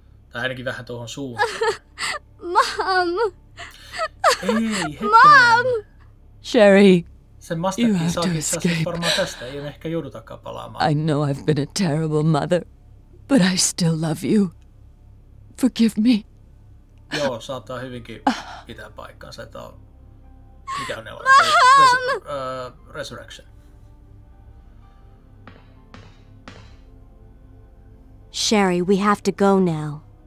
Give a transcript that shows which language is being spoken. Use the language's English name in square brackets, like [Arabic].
[Finnish] Tai ainakin vähän tuohon suuntaan. [English] Mom! [Finnish] Ei, [English] Mom! Sherry, sen you have to escape. [Finnish] Varmaan tästä ei ehkä joudutakaan palaamaan. [English] I know I've been a terrible mother, but I still love you. Forgive me. [Finnish] Joo, saattaa hyvinkin pitää paikkaansa, että on... Mikä on elokuva? [English] Mom! Resurrection. Sherry, we have to go now.